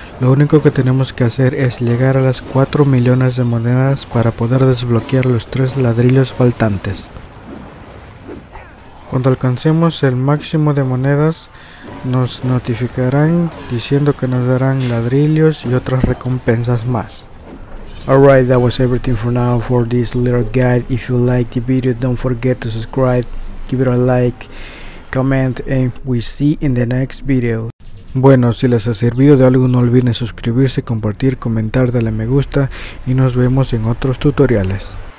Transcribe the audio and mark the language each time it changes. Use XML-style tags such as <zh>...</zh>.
<es>Lo único que tenemos que hacer es llegar a las 4 millones de monedas para poder desbloquear los 3 ladrillos faltantes. Cuando alcancemos el máximo de monedas, nos notificarán diciendo que nos darán ladrillos y otras recompensas más.</es> <en>Alright, that was everything for now for this little guide. If you liked the video, don't forget to subscribe, give it a like, comment, and we see in the next video.</en> <es>Bueno, si les ha servido de algo, no olviden suscribirse, compartir, comentar, darle me gusta, y nos vemos en otros tutoriales.</es>